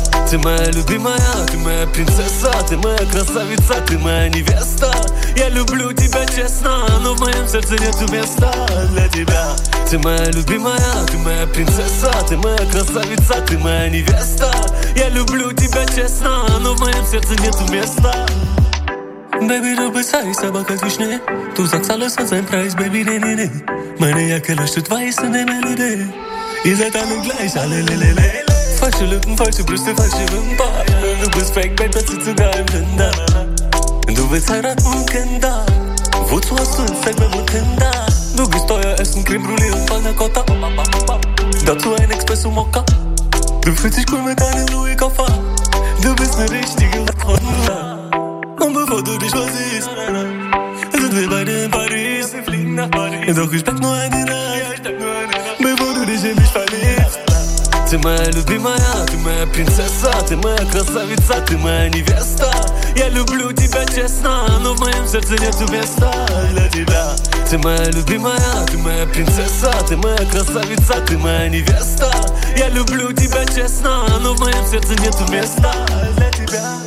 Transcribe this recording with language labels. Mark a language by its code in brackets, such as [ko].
[ru] Ты моя любимая, ты моя принцесса, ты моя красавица, ты моя невеста. Я люблю тебя честно, но в моем сердце нету места для тебя. Ты моя любимая, ты моя принцесса, ты моя красавица, ты моя невеста. Я люблю тебя честно, но в моем сердце нету места. [de] Baby, du bist heiß, aber kalt wie Schnee. Du sagst alles hat seinen Preis, baby, nee, nee, nee. Meine Jacke leuchtet weiß in der Melodie. Ihr seid alle gleich, alle, le, le, le, le. Falsche Lippen, falsche Brüste, falsche Wimpern. Du bist fake, Babe, das ist sogar im Tinder. Du willst heiraten, Kinder. Wozu hast du Instagram und Tinder? Du gehst teuer essen, Creme Brulee und Panna Cotta. Dazu ein Espresso Mokka. Du fühlst dich cool mit deinem Louis Koffer. Du bist eine richtige Honda. Und bevor du dich versiehst, sind wir beide in Paris. Wir fliegen nach Paris. Doch ich pack nur eine Nacht, bevor du dich in mich verliebst. [ru] Ты моя любимая, ты моя принцесса, ты моя красавица, ты моя невеста. Я люблю тебя честно, но в моем сердце нету места для тебя. Ты моя любимая, ты моя принцесса, ты моя красавица, ты моя невеста. Я люблю тебя честно, но в моем сердце нету места для тебя.